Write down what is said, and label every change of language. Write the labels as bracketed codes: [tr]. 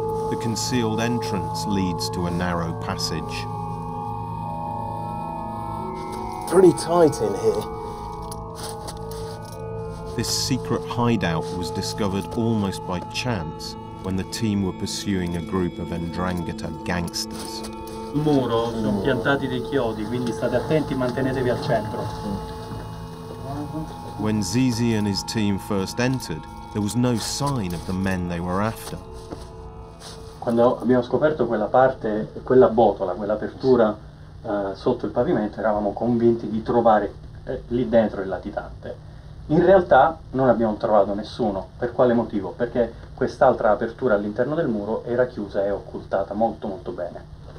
[en] The concealed entrance leads to a narrow passage. Pretty tight in here. This secret hideout was discovered almost by chance when the team were pursuing a group of Ndrangheta gangsters. [it] Il muro sono piantati dei chiodi, quindi state attenti, mantenetevi al centro. [en] When Zizi and his team first entered, there was no sign of the men they were after. [it] Quando abbiamo scoperto quella parte, quella botola, quell'apertura sotto il pavimento, eravamo convinti di trovare lì dentro il latitante. In realtà non abbiamo trovato nessuno. Per quale motivo? Perché quest'altra apertura all'interno del muro era chiusa e occultata molto molto bene.